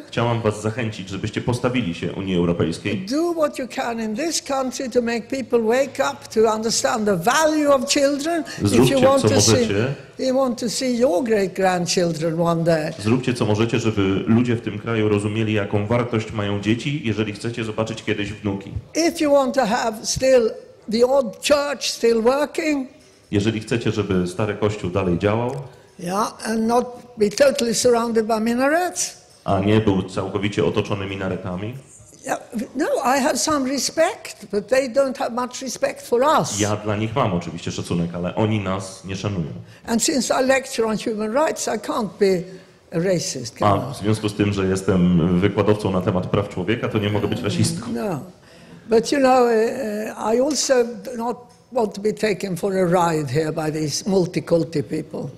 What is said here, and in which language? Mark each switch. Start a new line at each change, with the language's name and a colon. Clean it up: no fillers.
Polish: Chciałam was zachęcić, żebyście postawili się Unii Europejskiej.
English: Do what you can in this country to make people wake up to understand the value of children.
Polish: Zróbcie,
English: if you want to
Polish: możecie.
English: See. You want to see your great grandchildren one day.
Polish: Zróbcie co możecie, żeby ludzie w tym kraju rozumieli, jaką wartość mają dzieci, jeżeli chcecie zobaczyć kiedyś wnuki.
English: If you want to have still the old church still working.
Polish: Jeżeli chcecie, żeby stary kościół dalej działał.
English: Yeah, and not be totally surrounded by minarets.
Polish: A nie był całkowicie otoczony minaretami.
English: No, I have some respect, but they don't have much respect for us.
Polish: Ja dla nich mam oczywiście szacunek, ale oni nas nie szanują.
English: And since I lecture on human rights, I can't be a racist.
Polish: A w związku z tym, że jestem wykładowcą na temat praw człowieka, to nie mogę być rasistką.
English: No, but you know, I also do not want to be taken for a ride here by these multicultural people.